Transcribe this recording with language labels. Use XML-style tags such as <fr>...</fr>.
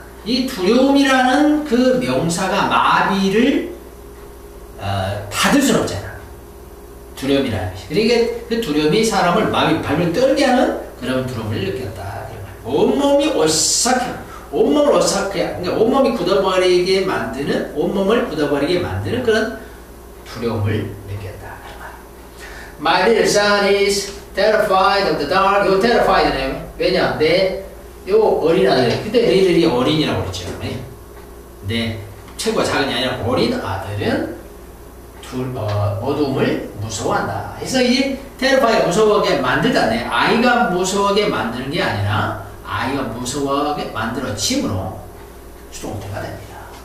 <ko>이 두려움이라는 그 명사가 마비를 받을 수는 없잖아. 두려움이라는 것이. 그러니까 그 두려움이 사람을 마비, 발을 떨게 하는 그런 두려움을 느꼈다. 온몸이 오싹해. 온몸을 오싹해. 그러니까 온몸이 굳어버리게 만드는, 온몸을 굳어버리게 만드는 그런 두려움을 느꼈다.</ko> <en>My little son is terrified of the dark.</en> <ko>이거 terrified네요. 왜냐? 내, 요 어린 아들. 그때 너희들이 어린이라고 그랬죠. 네. 내 최고 작은이 아니라 어린 아들은 어둠을 무서워한다. 그래서 이 terrified 무서워하게 만들다. 내 아이가 무서워하게 만드는 게 아니라 아이가 무서워하게 만들어짐으로 수동태가 됩니다.</ko>